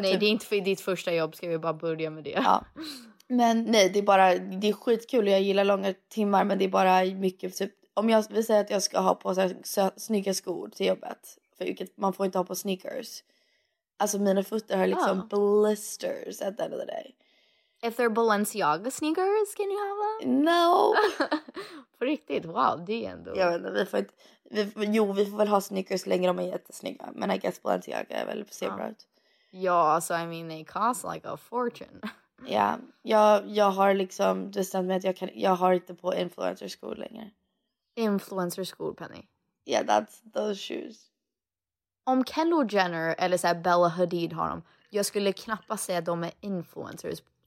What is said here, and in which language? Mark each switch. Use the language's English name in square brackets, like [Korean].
[Swedish] Nej, typ... det är inte ditt första jobb, ska vi bara börja med det. Ja. Men nej, det är bara, det är skitkul och jag gillar långa timmar. Men det är bara mycket, typ, om jag vill säga att jag ska ha på så här snygga skor till jobbet. vilket man får inte ha på sneakers. Alltså mina fötter har liksom [English] blisters at the end of the day. If they're Balenciaga sneakers, can you have them? No! [Swedish] På riktigt, wow, det är ändå... Jag vet inte, vi får inte... vi får väl ha sneakers längre om de är jättesnygga. Men [English] I guess [Swedish] Balenciaga är väl ser bra ut. [English] Ja, so I mean, they cost like a fortune. [Swedish] Ja, jag har liksom bestämt mig att jag har inte på influencer-skor längre. Influencer-skor, Penny? [English] Yeah, that's those shoes. [Swedish] Om Kendall Jenner eller så här Bella Hadid har dem, jag skulle knappast säga att de är influencers.